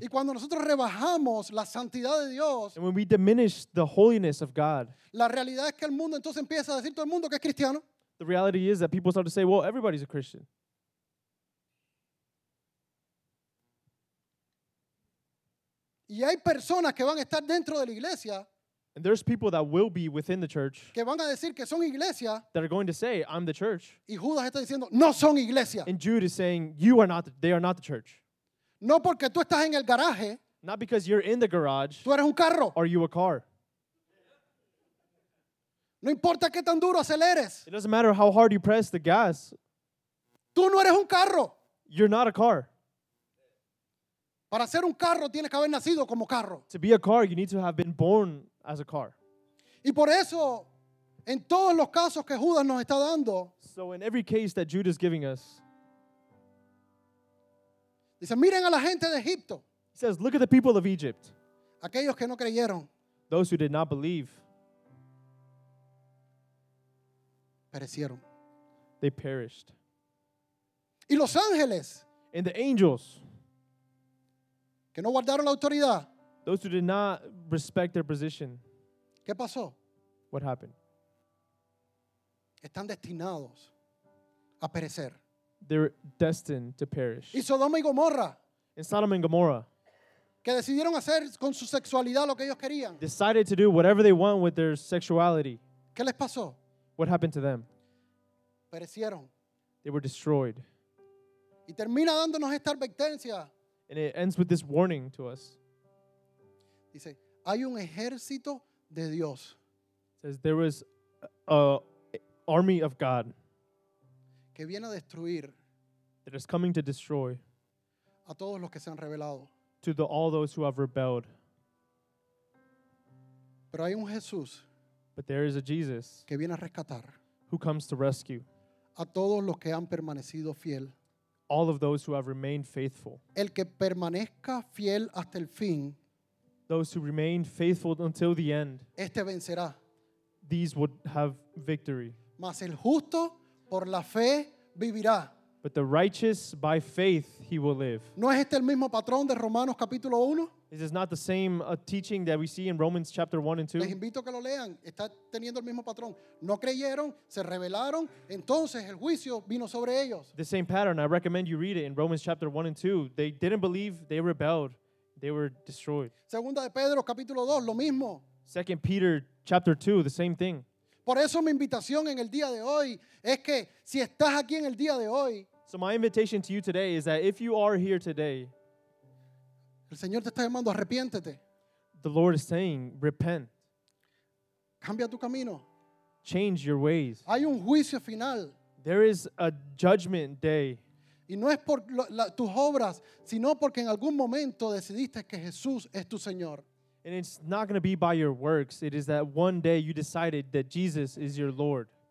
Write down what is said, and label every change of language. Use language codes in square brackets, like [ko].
[es] Y cuando nosotros rebajamos la santidad de Dios. [en] And when we diminish the holiness of God. [es] La realidad es que el mundo entonces empieza a decir todo el mundo que es cristiano. [en] The reality is that people start to say, well, everybody's a Christian. [es] Y hay personas que van a estar dentro de la iglesia. [en] And there's people that will be within the church. [es] Que van a decir que son iglesia. [en] That are going to say, I'm the church. [es] Y Judas está diciendo, no son iglesia. [en] And Jude is saying, you are not, they are not the church. [es] No porque tú estás en el garaje. [en] Not because you're in the garage. [es] Tú eres un carro. [en] Are you a car? [es] No importa qué tan duro aceleres. [en] It doesn't matter how hard you press the gas. [es] Tú no eres un carro. [en] You're not a car. [es] Para ser un carro tienes que haber nacido como carro. [en] To be a car, you need to have been born as a car. [es] Y por eso, en todos los casos que Judas nos está dando. [en] So in every case that Jude is giving us. [es] Dice, miren a la gente de Egipto. [en] He says, look at the people of Egypt. [es] Aquellos que no creyeron. [en] Those who did not believe. [es] Perecieron. [en] They perished. [es] Y los ángeles. [en] And the angels. [es] Que no guardaron la autoridad. [en] Those who did not respect their position. [es] ¿Qué pasó? [en] What happened? [es] Están destinados a perecer. [en] They're destined to perish. [es] Y Sodoma y Gomorra. [en] And Sodom and Gomorrah. [es] Que decidieron hacer con su sexualidad lo que ellos querían. [en] Decided to do whatever they want with their sexuality. [es] ¿Qué les pasó? [en] What happened to them? [es] Perecieron. [en] They were destroyed. [es] Y termina dándonos esta advertencia. [en] And it ends with this warning to us. [es] Dice, hay un ejército de Dios. [en] It says there is an army of God [es] que viene a destruir [en] that is coming to destroy [es] a todos los que se han rebelado. [en] To the, all those who have rebelled. [es] Pero hay un Jesús, [en] but there is a Jesus [es] que viene a rescatar, [en] who comes to rescue [es] a todos los que han permanecido fiel, [en] all of those who have remained faithful. [es] El que permanezca fiel hasta el fin, [en] those who remain faithful until the end, [es] este vencerá. [en] These would have victory. [es] Mas el justo por la fe vivirá. [en] But the righteous by faith he will live. [es] ¿No es este el mismo patrón de Romanos capítulo 1? [en] Is this not the same teaching that we see in Romans chapter 1 and 2? [es] Les invito a que lo lean. Está teniendo el mismo patrón. No creyeron, se rebelaron, entonces el juicio vino sobre ellos. [en] The same pattern. I recommend you read it in Romans chapter 1 and 2. They didn't believe, they rebelled, they were destroyed. [es] Segunda de Pedro capítulo 2, lo mismo. [en] Second Peter chapter 2, the same thing. [es] Por eso mi invitación en el día de hoy es que si estás aquí en el día de hoy, [en] so my invitation to you today is that if you are here today, [es] el Señor te está llamando, arrepiéntete. [en] The Lord is saying, repent. [es] Cambia tu camino. [en] Change your ways. [es] Hay un juicio final. [en] There is a judgment day. [es] Y no es por tus obras, sino porque en algún momento decidiste que Jesús es tu Señor. [en] And it's not going to be by your works. It is that one day you decided that Jesus is your Lord.